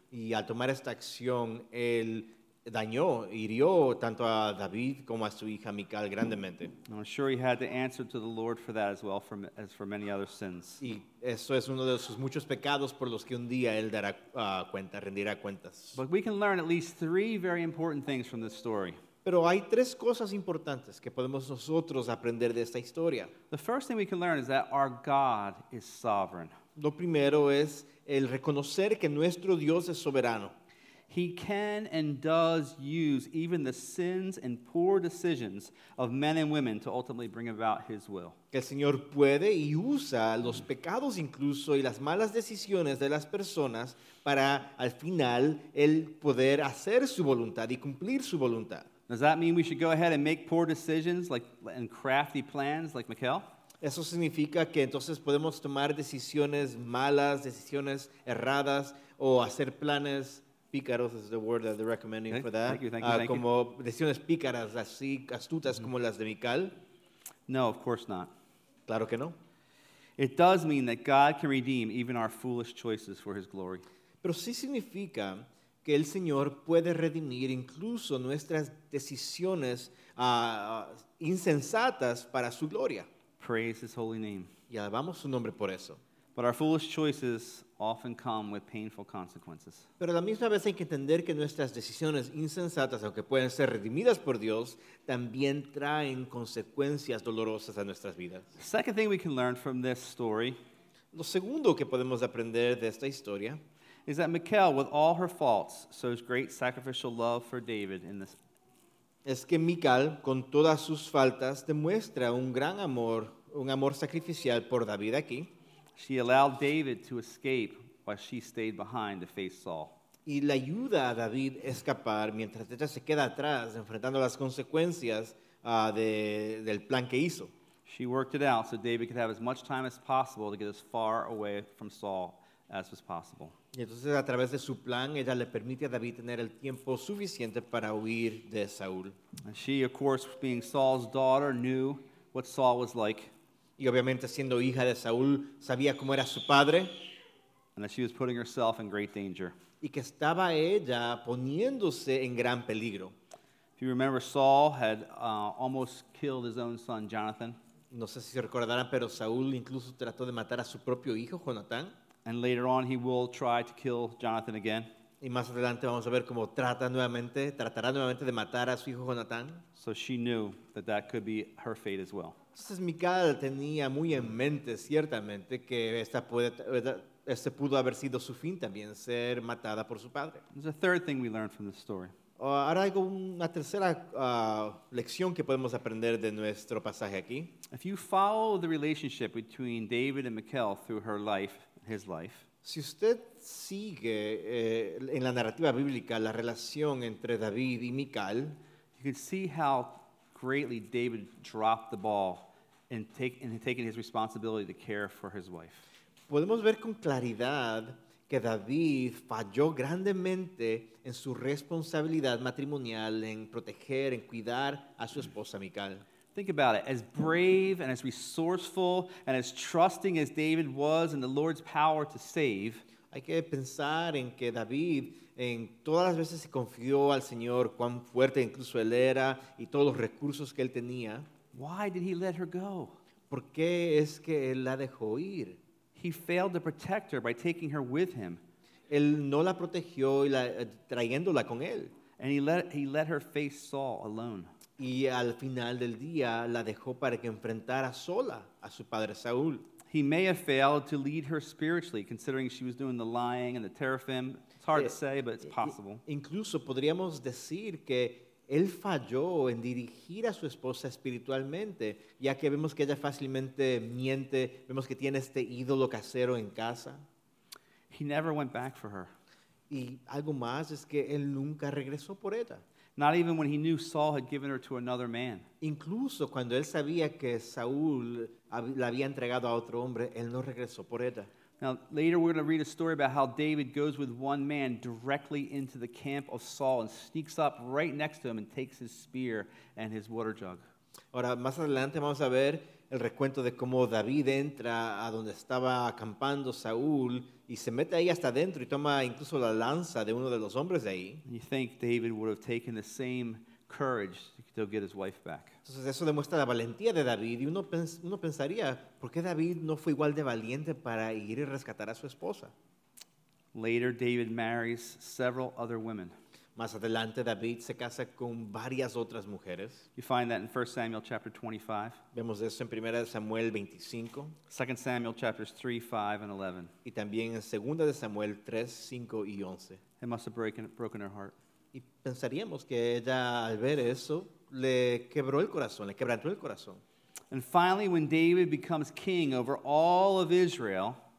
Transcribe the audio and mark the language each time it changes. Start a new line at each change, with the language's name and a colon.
Spanish: Y al tomar esta acción, él dañó, hirió tanto a David como a su hija Michal grandemente.
English: I'm sure he had to answer to the Lord for that as well as for many other sins.
Spanish: Y eso es uno de sus muchos pecados por los que un día él dará cuenta, rendirá cuentas.
English: But we can learn at least three very important things from this story.
Spanish: Pero hay tres cosas importantes que podemos nosotros aprender de esta historia.
English: The first thing we can learn is that our God is sovereign.
Spanish: Lo primero es el reconocer que nuestro Dios es soberano.
English: He can and does use even the sins and poor decisions of men and women to ultimately bring about his will.
Spanish: El Señor puede y usa los pecados incluso y las malas decisiones de las personas para al final él poder hacer su voluntad y cumplir su voluntad.
English: Does that mean we should go ahead and make poor decisions and crafty plans like Michal?
Spanish: Eso significa que entonces podemos tomar decisiones malas, decisiones erradas o hacer planes.
English: Pícaros is the word that they're recommending okay. for that. Thank you.
Spanish: Como decisiones pícaras, así astutas mm-hmm. como las de Michal.
English: No, of course not.
Spanish: Claro que no.
English: It does mean that God can redeem even our foolish choices for his glory.
Spanish: Pero sí significa que el Señor puede redimir incluso nuestras decisiones insensatas para su gloria.
English: Praise his holy name.
Spanish: Y alabamos su nombre por eso.
English: But our foolish choices often come with painful consequences.
Spanish: Pero a la misma vez hay que entender que nuestras decisiones insensatas, aunque pueden ser redimidas por Dios, también traen consecuencias dolorosas a nuestras vidas.
English: The second thing we can learn from this story,
Spanish: lo segundo que podemos aprender de esta historia,
English: is that Michal, with all her faults, shows great sacrificial love for David in this.
Spanish: Es que Michal, con todas sus faltas, demuestra un gran amor, un amor sacrificial por David aquí.
English: She allowed David to escape while she stayed behind to face Saul.
Spanish: Y le ayuda a David a escapar mientras ella se queda atrás enfrentando las consecuencias del plan que hizo.
English: She worked it out so David could have as much time as possible to get as far away from Saul as was possible.
Spanish: Y entonces a través de su plan ella le permite a David tener el tiempo suficiente para huir de Saúl.
English: And she, of course, being Saul's daughter, knew what Saul was like.
Spanish: Y obviamente siendo hija de Saúl, sabía cómo era su padre.
English: And that she was putting herself in great danger.
Spanish: Y que estaba ella poniéndose en gran peligro.
English: If you remember, Saul had almost killed his own son, Jonathan.
Spanish: No sé si se recordarán, pero Saúl incluso trató de matar a su propio hijo, Jonathan.
English: And later on, he will try to kill Jonathan again.
Spanish: Y más adelante vamos a ver cómo tratará nuevamente de matar a su hijo, Jonathan.
English: So she knew that that could be her fate as well.
Spanish: Entonces Michal tenía muy en mente, ciertamente, que este pudo haber sido su fin también, ser matada por su padre.
English: There's a third thing we learned from this story.
Spanish: Ahora hay una tercera lección que podemos aprender de nuestro pasaje aquí.
English: If you follow the relationship between David and Michal through her life, his life.
Spanish: Si usted sigue en la narrativa bíblica la relación entre David y Michal,
English: you can see how greatly David dropped the ball in taking his responsibility to care for his wife.
Spanish: Podemos ver con claridad que David falló grandemente en su responsabilidad matrimonial en proteger, en cuidar a su esposa Mical.
English: Think about it. As brave and as resourceful and as trusting as David was in the Lord's power to save,
Spanish: hay que pensar en que David en todas las veces se confió al Señor, cuán fuerte incluso él era y todos los recursos que él tenía.
English: Why did he let her go?
Spanish: ¿Por qué es que él la dejó ir?
English: He failed to protect her by taking her with him.
Spanish: Él no la protegió y la trayéndola con él.
English: And he let her face Saul alone.
Spanish: Y al final del día la dejó para que enfrentara sola a su padre Saúl.
English: He may have failed to lead her spiritually, considering she was doing the lying and the teraphim. It's hard to say, but it's possible.
Spanish: Incluso podríamos decir que él falló en dirigir a su esposa espiritualmente, ya que vemos que ella fácilmente miente, vemos que tiene este ídolo casero en casa.
English: He never went back for her.
Spanish: Y algo más es que él nunca regresó por ella.
English: Not even when he knew Saul had given her to another man.
Spanish: Incluso cuando él sabía que Saúl la había entregado a otro hombre, él no regresó por ella.
English: Now, later we're going to read a story about how David goes with one man directly into the camp of Saul and sneaks up right next to him and takes his spear and his water jug.
Spanish: Ahora, más adelante vamos a ver el recuento de cómo David entra a donde estaba acampando Saúl y se mete ahí hasta adentro y toma incluso la lanza de uno de los hombres de ahí.
English: You think David would have taken the same courage to get his wife back.
Spanish: Entonces eso demuestra la valentía de David y uno pensaría, ¿por qué David no fue igual de valiente para ir y rescatar a su esposa?
English: Later, David marries several other women.
Spanish: Más adelante, David se casa con varias otras mujeres.
English: You find that in 1 Samuel chapter 25.
Spanish: Vemos eso en 1 Samuel 25.
English: 2 Samuel chapters 3, 5, and 11.
Spanish: Y también en 2 Samuel 3, 5 y 11.
English: It must have broken her heart.
Spanish: Y pensaríamos que ella, al ver eso, le quebró el corazón, le quebrantó el corazón.
English: And finally, when David becomes king over all of Israel...